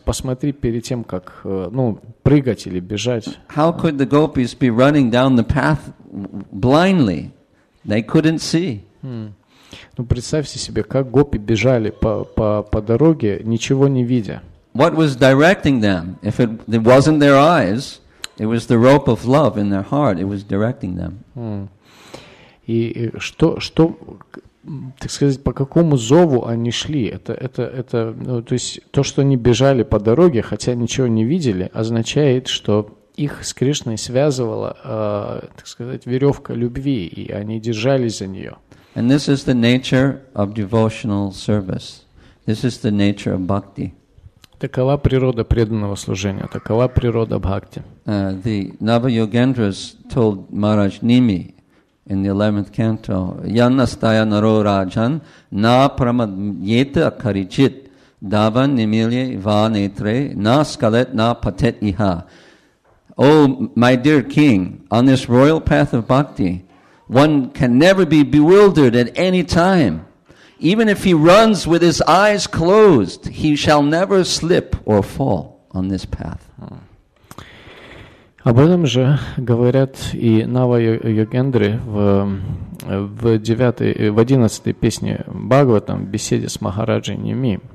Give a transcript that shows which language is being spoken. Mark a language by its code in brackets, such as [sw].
[ru] Посмотри перед тем, как прыгать или бежать. [en] How could the gopis be running down the path blindly? They couldn't see. [ru] Ну представьте себе, как гопи бежали по дороге, ничего не видя. [en] What was directing them? If it wasn't their eyes, it was the rope of love in their heart. It was directing them. [ru] И что так сказать, по какому зову они шли? То есть то, что они бежали по дороге, хотя ничего не видели, означает, что их с Кришной связывала, так сказать, веревка любви, и они держались за нее. [en] And this is the nature of devotional service. This is the nature of bhakti. [ru] Такова природа преданного служения. Такова природа бхакти. [en] The Navayogendras told Maharaj Nimi in the 11th canto, [sa] Yannastaya naro rajan na pramadyeta karichit davan nimilye va netre na skalet na patet iha. [en] Oh, my dear king, on this royal path of bhakti, one can never be bewildered at any time. Even if he runs with his eyes closed, he shall never slip or fall on this path. [ru] Об этом же говорят и Нава-йогендры в 11-й песне Бхагаватам, в беседе с Махараджей Ними.